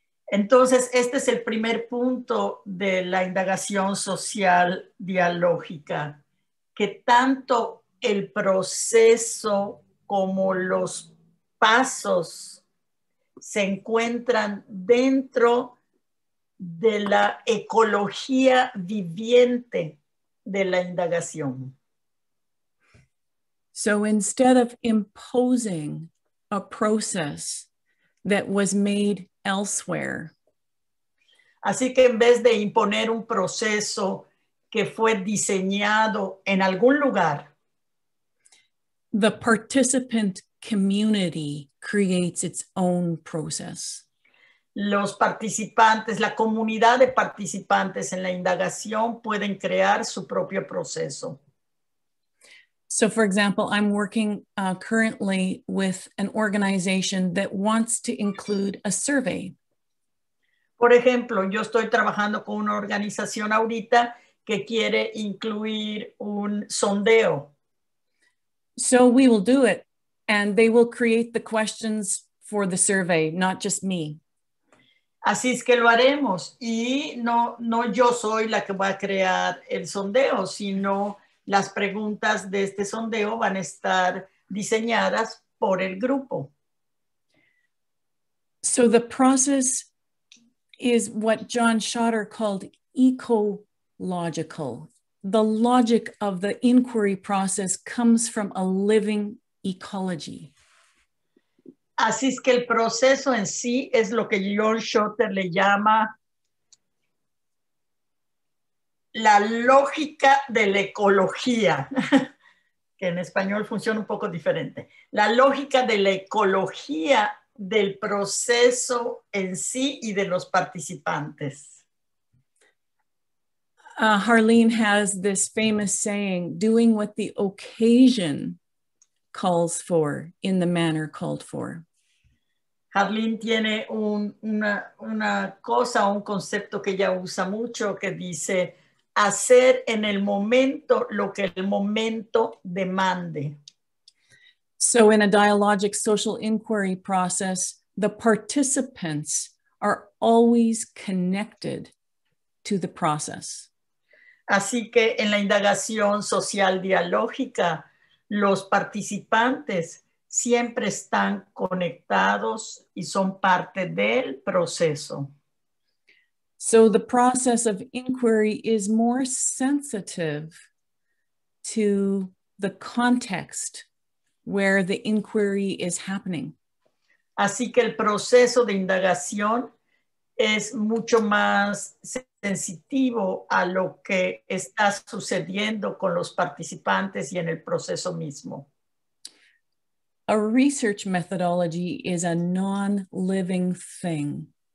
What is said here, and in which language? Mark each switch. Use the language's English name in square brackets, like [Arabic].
[Spanish] Entonces, este es el primer punto de la indagación social dialógica, que tanto el proceso como los pasos se encuentran dentro de la ecología viviente de la indagación. [English] So instead of imposing a process that was made elsewhere. [Spanish] Así que en vez de imponer un proceso que fue diseñado en algún lugar, [English] the participant community creates its own process. [Spanish] Los participantes, la comunidad de participantes en la indagación pueden crear su propio proceso. [English] So, for example, I'm working currently with an organization that wants to include a survey. [Spanish] Por ejemplo, yo estoy trabajando con una organización ahorita que quiere incluir un sondeo. [English] So we will do it, and they will create the questions for the survey, not just me. [Spanish] Así es que lo haremos, y no yo soy la que va a crear el sondeo, sino las preguntas de este sondeo van a estar diseñadas por el grupo. [English] So the process is what John Schotter called ecological. The logic of the inquiry process comes from a living ecology. [Spanish] Así es que el proceso en sí es lo que John Schotter le llama la lógica de la ecología, que en español funciona un poco diferente. La lógica de la ecología del proceso en sí y de los participantes. [English] Harlene has this famous saying, doing what the occasion calls for in the manner called for. [Spanish] Harlene tiene una cosa, un concepto que ella usa mucho, que dice, hacer en el momento lo que el momento demande. [English] So in a dialogic social inquiry process, the participants are always connected to the process. [Spanish] Así que en la indagación social dialógica, los participantes siempre están conectados y son parte del proceso. [English] So the process of inquiry is more sensitive to the context where the inquiry is happening. [Spanish] Así que el proceso de indagación es mucho más sensitivo a lo que está sucediendo con los participantes y en el proceso mismo. [English] A research methodology is a non-living thing.